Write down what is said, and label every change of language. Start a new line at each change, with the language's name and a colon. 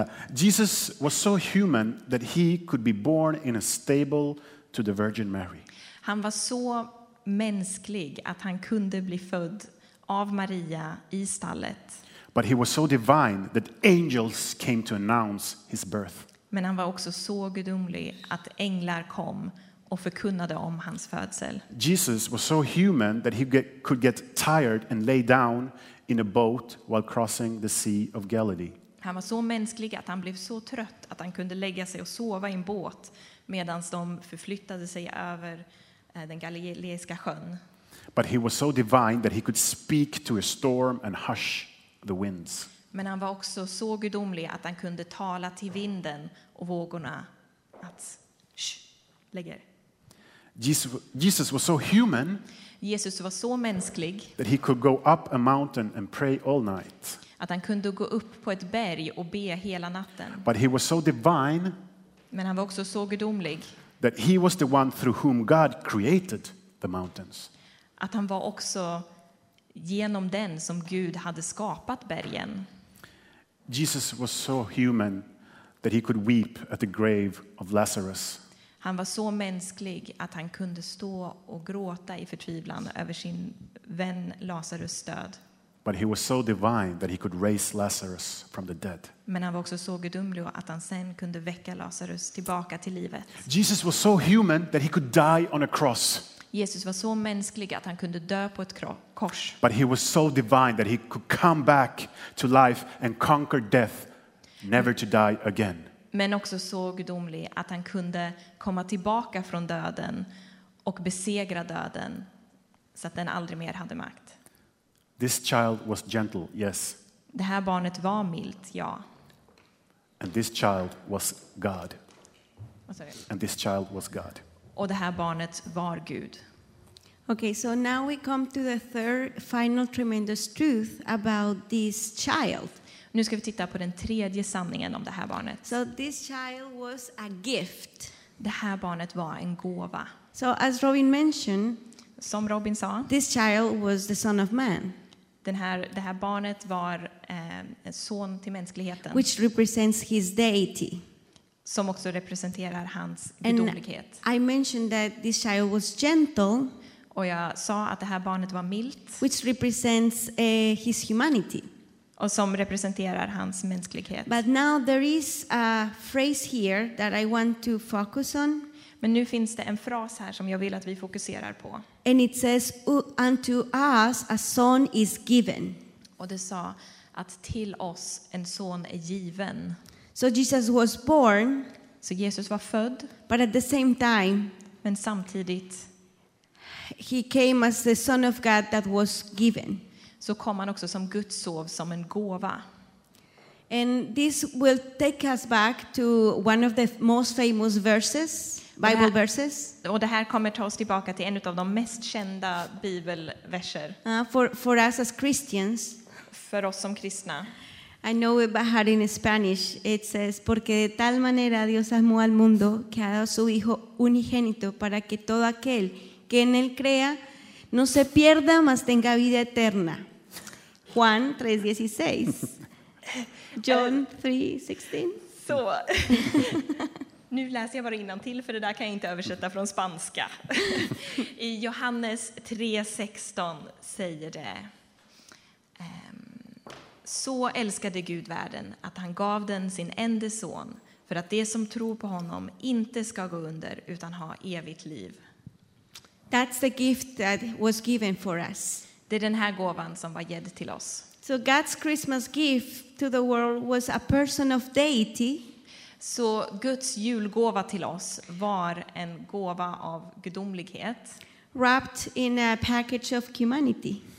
English: Jesus was so human that he could be born in a stable to the Virgin Mary.
Swedish: Han var så mänsklig att han kunde bli född av Maria i stallet.
English: But he was so divine that angels came to announce his birth.
Swedish: Men han var också så gudomlig att änglar kom och förkunnade om hans födsel.
English: Jesus was so human that he could get tired and lay down in a boat while crossing the Sea of Galilee.
Swedish: Han var så mänsklig att han blev så trött att han kunde lägga sig och sova i en båt medan de förflyttade sig över den galileiska sjön.
English: But he was so divine that he could speak to a storm and hush the winds.
Swedish: Men han var också så gudomlig att han kunde tala till vinden och vågorna att lägga.
English: Jesus was so human.
Swedish: Jesus var så mänsklig.
English: That he could go up a mountain and pray all night.
Swedish: Att han kunde gå upp på ett berg och be hela natten.
English: But he was so divine.
Swedish: Men han var också så gudomlig.
English: That he was the one through whom God created the mountains.
Swedish: Att han var också genom den som Gud hade skapat bergen.
English: Jesus was so human that he could weep at the grave of Lazarus.
Swedish: Han var så mänsklig att han kunde stå och gråta i förtvivlan över sin vän Lazarus död.
English: But he was so divine that he could raise Lazarus from the dead.
Swedish: Men han var också så gudomlig att han sen kunde väcka Lazarus tillbaka till livet.
English: Jesus was so human that he could die on a cross.
Swedish: Jesus var så mänsklig att han kunde dö på ett kors.
English: But he was so divine that he could come back to life and conquer death, never to die again.
Swedish: Men också så gudomlig att han kunde komma tillbaka från döden och besegra döden så att den aldrig mer hade makt.
English: This child was gentle, yes.
Swedish: Det här barnet var milt, ja.
English: And this child was God. Sorry. And this child was God.
Swedish: Och det här barnet var Gud.
English: Okay, so now we come to the third final tremendous truth about this child.
Swedish: Nu ska vi titta på den tredje sanningen om det här barnet.
English: So this child was a gift.
Swedish: Det här barnet var en gåva.
English: So as Robin mentioned,
Swedish: som Robin sa,
English: this child was the son of man.
Swedish: Det här barnet var en son till mänskligheten.
English: Which represents his deity.
Swedish: Som också representerar hans gudomlighet.
English: And I mentioned that this child was gentle.
Swedish: Och jag sa att det här barnet var milt.
English: Which represents his humanity.
Swedish: Och som representerar hans mänsklighet.
English: But now there is a phrase here that I want to focus on.
Swedish: Men nu finns det en fras här som jag vill att vi fokuserar på.
English: And it says, unto us a son is given.
Swedish: Och det sa att till oss en son är given.
English: So Jesus was born.
Swedish: Så Jesus var född.
English: But at the same time.
Swedish: Men samtidigt.
English: He came as the son of God that was given.
Swedish: Så kom han också som Guds son som en gåva.
English: And this will take us back to one of the most famous verses. Bible verses.
Swedish: Och det här kommer ta oss tillbaka till en av de mest kända bibelverser.
English: For us as Christians.
Swedish: För oss som kristna.
English: I know it by heart in Spanish. It says,
Spanish: porque de tal manera Dios amó al mundo que ha dado su hijo unigénito para que todo aquel que en él crea no se pierda, mas tenga vida eterna. Juan 3:16. John 3:16.
Swedish: Så. Nu läser jag bara innantill, för det där kan jag inte översätta från spanska. I Johannes 3:16 säger det: så älskade Gud världen att han gav den sin enda son för att de som tror på honom inte ska gå under utan ha evigt liv.
English: That's the gift that was given for us.
Swedish: Det är den här gåvan som var gett till oss.
English: So God's Christmas gift to the world was a person of deity.
Swedish: Så Guds julgåva till oss var en gåva av gudomlighet.
English: Wrapped in a package of humanity.